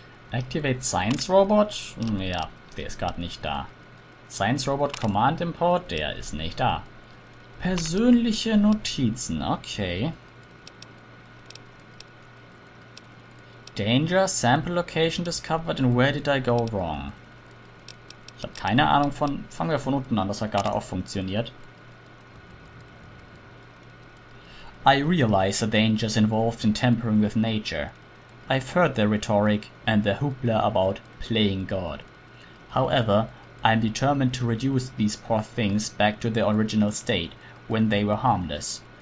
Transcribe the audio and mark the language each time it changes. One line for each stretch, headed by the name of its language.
English: Activate Science Robot?
German: Ja, der ist gerade nicht da.
English: Science Robot Command Import?
German: Der ist nicht da. Persönliche Notizen, okay.
English: Danger, Sample Location discovered and where did I go wrong?
German: Ich habe keine Ahnung von... Fangen wir von unten an, das hat gerade auch funktioniert.
English: I realize the dangers involved in tampering with nature. I've heard their rhetoric and their hoopla about playing God. However, I'm determined to reduce these poor things back to their original state, when they were harmless.